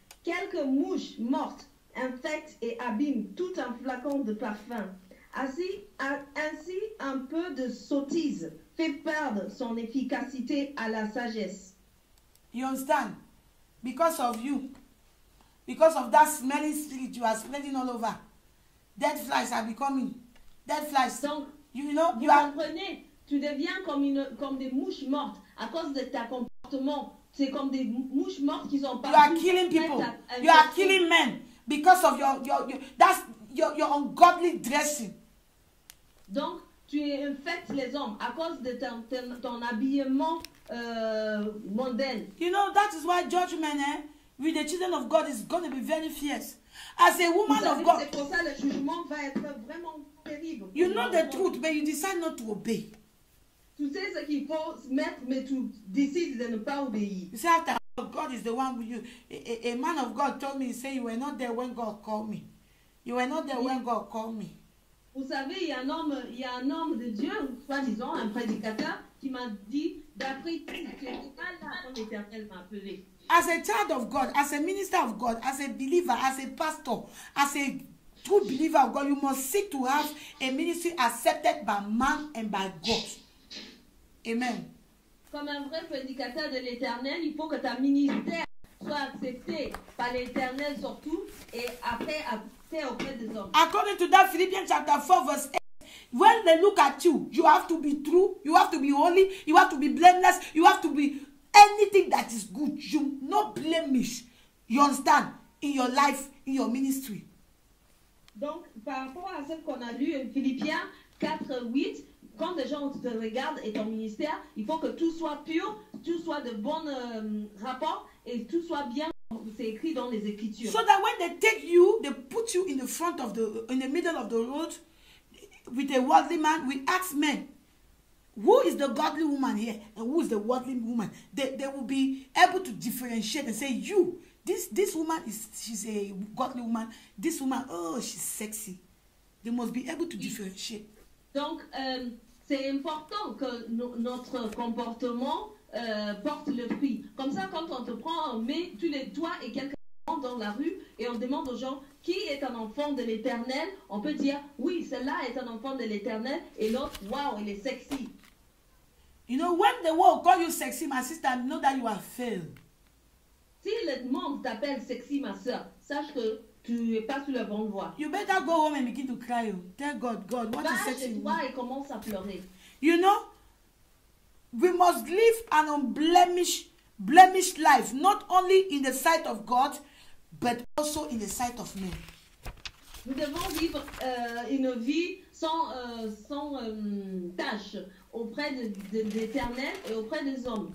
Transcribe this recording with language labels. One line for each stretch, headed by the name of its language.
French: Quelques mouches mortes infectent et abîment tout un flacon de parfum. Ainsi, un peu de sottise fait perdre son efficacité à la sagesse.
English: You understand? Because of you, because of that smelly spirit you are spreading all over, dead flies are becoming dead flies.
French: Donc,
English: you know,
French: vous apprenez, tu deviens comme des mouches mortes à cause de ta comportement. C'est comme des mouches mortes qui sont partout.
English: You are killing people. You are killing men because of your ungodly dressing.
French: Donc, tu infectes les hommes à cause de ton habillement mondain.
English: You know, that is why judgment with the children of God is going to be very fierce. As a woman of God,
French: c'est pour ça le jugement va être vraiment terrible.
English: You know the truth, but you decide not to obey.
French: Tu sais ce qu'il faut mettre, mais tu décides de ne pas obéir.
English: You say, after all, God is the one with you. A man of God told me, he said, you were not there when God called me. You were not there when God called me.
French: Vous savez, il y a un homme de Dieu, soi-disant, un prédicateur, qui m'a dit, d'après tout, tu n'étais pas là quand l'Éternel m'a appelé.
English: As a child of God, as a minister of God, as a believer, as a pastor, as a true believer of God, you must seek to have a ministry accepted by man and by God. Amen.
French: Comme un vrai prédicateur de l'Éternel, il faut que ta ministère soit accepté par l'Éternel surtout et après accepté auprès des hommes.
English: According to that Philippians chapter 4 verse 8, when they look at you, you have to be true, you have to be holy, you have to be blameless, you have to be anything that is good, you no blemish. You understand? In your life, in your ministry.
French: Donc, par rapport à ce qu'on a lu en Philippiens 4, 8, quand les gens te regardent et ton ministère, il faut que tout soit pur, tout soit de bon rapport et tout soit bien, c'est écrit dans les Écritures.
English: So that when they take you, they put you in the front of the, in the middle of the road with a worldly man, we ask men, who is the godly woman here and who is the worldly woman? They will be able to differentiate and say, you, this woman, she's a godly woman. This woman, oh, she's sexy. They must be able to differentiate.
French: Donc, c'est important que notre comportement porte le fruit. Comme ça, quand on te prend, on met tous les toi et quelqu'un dans la rue et on demande aux gens qui est un enfant de l'Éternel, on peut dire, oui, celle-là est un enfant de l'Éternel et l'autre, waouh, il est sexy.
English: You know, when the world calls you sexy, my sister, know that you are failed.
French: Si le monde t'appelle sexy, ma soeur, sache que tu n'es pas sur la bonne voie.
English: You better go home and begin to cry. Tell God, God, what
French: va
English: is sexy?
French: Va chez toi et commence à pleurer.
English: You know, we must live an unblemished life, not only in the sight of God, but also in the sight of men.
French: Nous devons vivre une vie sans tâche auprès de l'Éternel et auprès des hommes.